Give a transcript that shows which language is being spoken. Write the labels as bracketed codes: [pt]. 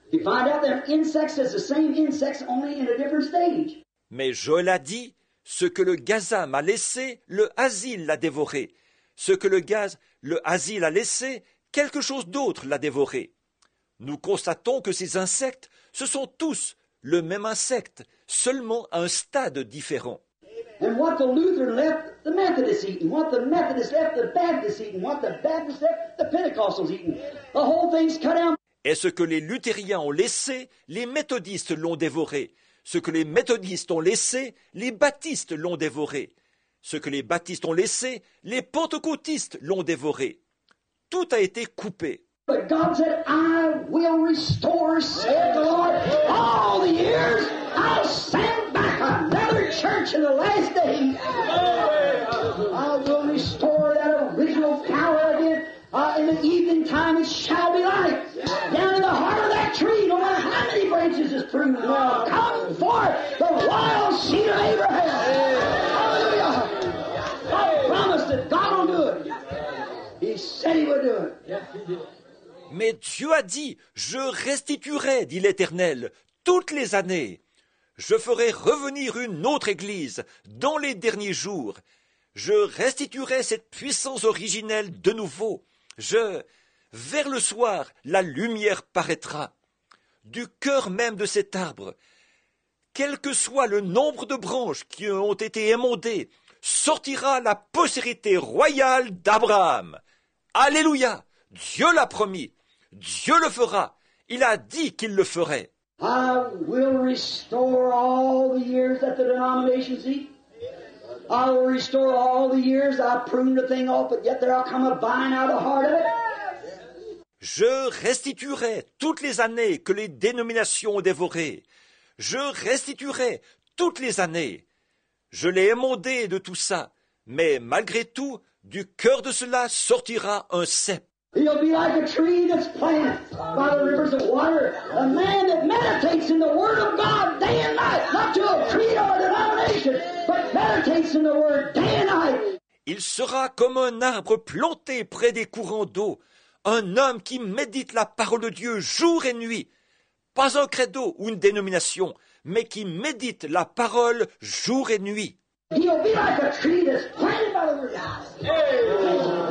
[en] You find out that insects is the same insects only in a different stage. [fr] Mais Joël a dit, ce que le gazam a laissé, le hasil l'a dévoré. Ce que le hasil a laissé, quelque chose d'autre l'a dévoré. Nous constatons que ces insectes, ce sont tous le même insecte, seulement à un stade différent. [en] And what the Lutheran left, the Methodist eaten. What the Methodist left, the Baptist eaten. What the Baptist left, the Pentecostals eaten. The whole thing's cut out. [fr] Et ce que les luthériens ont laissé, les méthodistes l'ont dévoré. Ce que les méthodistes ont laissé, les baptistes l'ont dévoré. Ce que les baptistes ont laissé, les pentecôtistes l'ont dévoré. Tout a été coupé. [en] But God said, I will restore, said the Lord, all the years. I'll send back another church in the last day. I will restore that original power again. In the evening time it shall be light. Down in the heart of that tree, no matter how many branches is pruned, come forth the wild seed of Abraham. Hallelujah. God promised that God will do it. He said he would do it. [fr] Mais Dieu a dit, je restituerai, dit l'Éternel, toutes les années. Je ferai revenir une autre église dans les derniers jours. Je restituerai cette puissance originelle de nouveau. Vers le soir, la lumière paraîtra. Du cœur même de cet arbre, quel que soit le nombre de branches qui ont été émondées, sortira la postérité royale d'Abraham. Alléluia! Dieu l'a promis. Dieu le fera. Il a dit qu'il le ferait. [en] I will restore all the years that the denominations eat. I will restore all the years I pruned the thing off, but yet there will come a vine out of the heart of it. [fr] Je restituerai toutes les années que les dénominations ont dévorées. Je restituerai toutes les années. Je l'ai émondé de tout ça, mais malgré tout, du cœur de cela sortira un cep. [en] He'll be like a tree that's planted by the rivers of water. A man that meditates in the word of God day and night, not to a creed or a denomination, but meditates in the word day and night. [fr] Il sera comme un arbre planté près des courants d'eau, un homme qui médite la parole de Dieu jour et nuit, pas un credo ou une dénomination, mais qui médite la parole jour et nuit. [en] He'll be like a tree that's planted by the word of God.